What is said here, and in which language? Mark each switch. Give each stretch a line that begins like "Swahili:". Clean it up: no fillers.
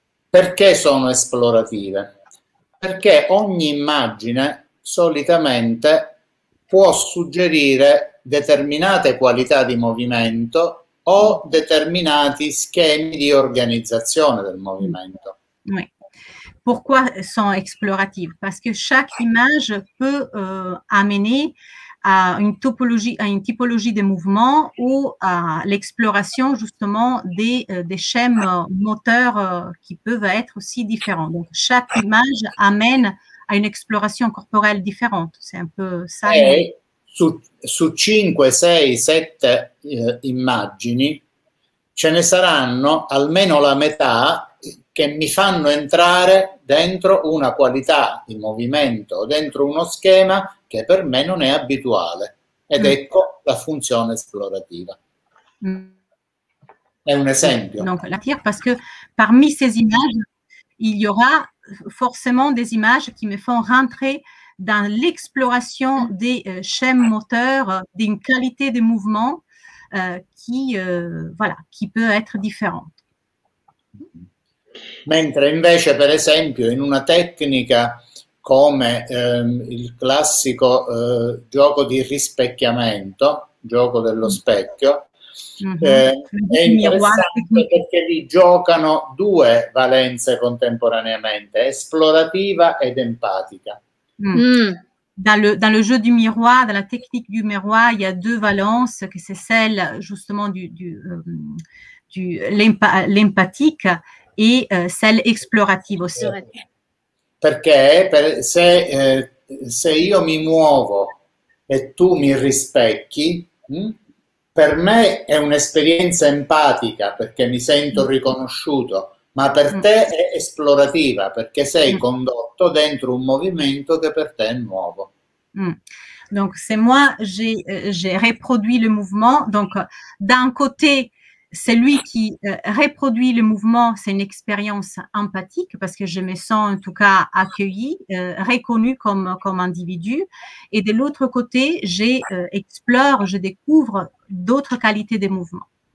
Italian: Perché sono esplorative? Perché ogni immagine solitamente può suggerire determinate qualità di movimento o determinati schemi di organizzazione del movimento.
French: Oui. Pourquoi sont explorative? Parce que chaque image peut amener à une typologie de mouvement ou à l'exploration justement des schèmes moteurs qui peuvent être aussi différents. Donc chaque image amène a une exploration corporelle différente, c'est un peu ça.
Italian: E su 5, 6, 7 immagini ce ne saranno almeno la metà che mi fanno entrare dentro una qualità di movimento, dentro uno schema che per me non è abituale. Ed ecco la funzione esplorativa. È un esempio.
French: Donc, la tire, parce que parmi ces images, il y aura forcément des images qui me font rentrer dans l'exploration des schèmes moteurs, d'une qualité de mouvement qui peut être différente.
Italian: Mentre invece, per esempio, in una tecnica come il classico gioco di rispecchiamento, gioco dello specchio, è interessante perché vi giocano due valenze contemporaneamente, esplorativa ed empatica.
French: Dans le jeu du miroir, dans la technique du miroir, il y a deux valences, che c'est celle justement l'empatica et celle esplorativa aussi.
Italian: Perché se io mi muovo e tu mi rispecchi, per me è un'esperienza empatica perché mi sento riconosciuto, ma per te è esplorativa perché sei condotto dentro un movimento che per te è nuovo.
French: Donc c'est moi, j'ai reproduit le mouvement, donc d'un côté c'est lui qui reproduit le mouvement, c'est une expérience empathique parce que je me sens en tout cas accueillie, reconnue comme individu. Et de l'autre côté, j'explore, je découvre d'autres qualités des mouvements.